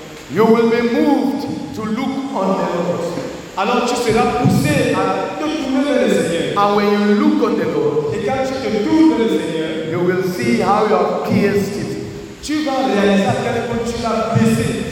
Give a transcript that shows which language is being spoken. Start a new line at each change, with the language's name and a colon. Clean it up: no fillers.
English: You will be moved to look on the Lord.
French: Alors tu seras poussé à te tourner vers le Seigneur.
English: And when you look on the Lord,
French: et quand tu te tournes vers le Seigneur,
English: you will see how you have pierced it.
French: Tu vas réaliser à quel point tu l'as blessé.